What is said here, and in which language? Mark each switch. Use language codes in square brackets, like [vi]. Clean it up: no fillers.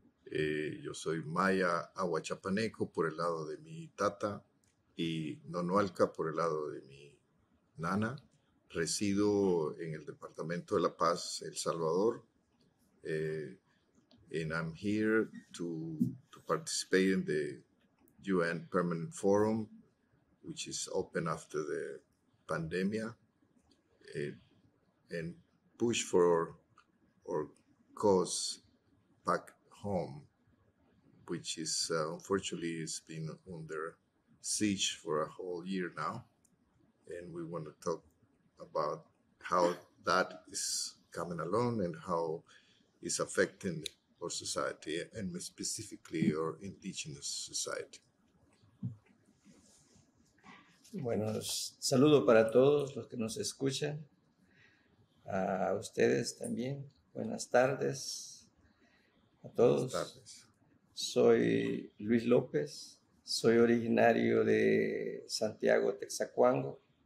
[es] Yo soy Maya Aguachapaneco por el lado de mi tata y Nonualca por el lado de mi nana. Resido en el Departamento de La Paz, El Salvador. [en] And I'm here to participate in the UN Permanent Forum, which is open after the pandemic, and push for our cause back home, which is unfortunately it's been under siege for a whole year now. And we want to talk about how that is coming along and how it's affecting our society and specifically our indigenous society. [es] Bueno, saludo para todos los que nos escuchan, a ustedes también. Buenas tardes a todos. Buenas tardes. Soy Luis López, soy originario de Santiago, Texacuango.